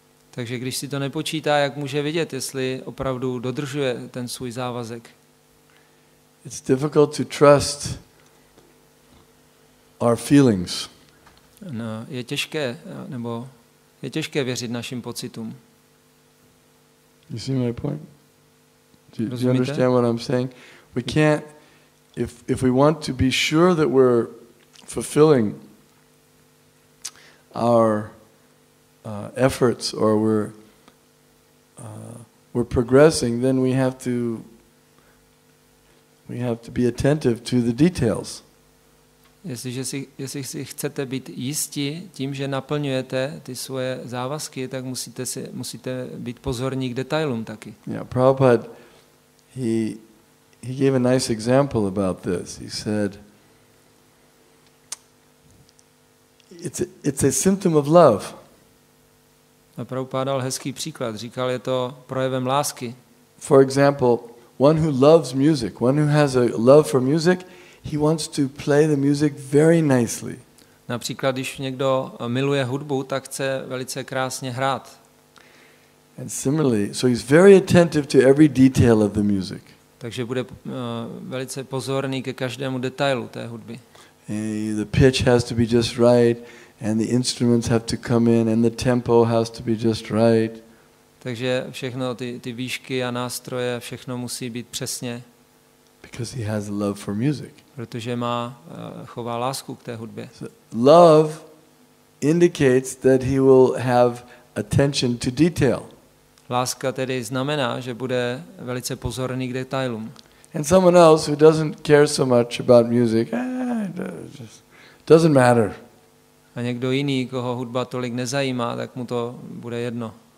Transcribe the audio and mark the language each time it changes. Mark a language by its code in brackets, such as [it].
[cs] Takže když si to nepočítá, jak může vidět, jestli opravdu dodržuje ten svůj závazek? [en] It's difficult to trust our feelings. [cs] No, je těžké, nebo je těžké věřit našim pocitům. [en] You see my point? Do you understand what I'm saying? We can't, if we want to be sure that we're fulfilling our efforts or we're progressing, then we have to be attentive to the details. [cs] Jestli si chcete být jistí tím, že naplňujete ty svoje závazky, tak musíte být pozorní k detailům taky. [en] Yeah, Prabhupada, he gave a nice example about this. He said, it's a symptom of love. [cs] A Prabhupada dal hezký příklad. Říkal, je to projevem lásky. [en] For example, one who loves music, one who has a love for music, he wants to play the music very nicely. [cs] Například, když někdo miluje hudbu, tak chce velice krásně hrát. [en] And similarly, so he's very attentive to every detail of the music. [cs] Takže bude velice pozorný ke každému detailu té hudby. [en] The pitch has to be just right, and the instruments have to come in, and the tempo has to be just right. [cs] Takže všechno ty výšky a nástroje, všechno musí být přesně. [en] Because he has love for music. [cs] Protože má chová lásku k té hudbě. [en] So love indicates that he will have attention to detail. [cs] Láska tedy znamená, že bude velice pozorný k detailům. [en] And someone else who doesn't care so much about music, just doesn't matter. [cs] A někdo jiný, koho hudba tolik nezajímá, tak mu to bude jedno.